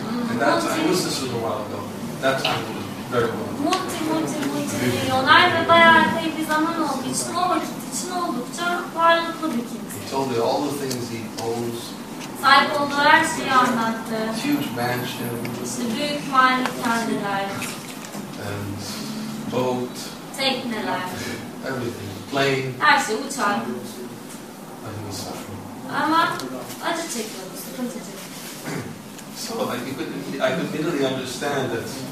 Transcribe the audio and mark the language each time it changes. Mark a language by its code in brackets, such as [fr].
[en] And that time, this was a little while ago. That time was [tr] multi-multi-multi-milyoner ve bayağı epey bir zaman olduğu için o vakit için oldukça varlıklı bir kimse. [en] He told you all the things he owns. [tr] Sahip olduğu her şeyi anlattı. [en] Huge mansion. [tr] İşte büyük malikaneler. [en] And boat. [tr] Tekneler. [en] Everything. Plane. [tr] Her şey uçak. [en] But he was suffering. [tr] Ama acı çekiyordu, sıkıntı çekiyordu. [en] So I could immediately understand that.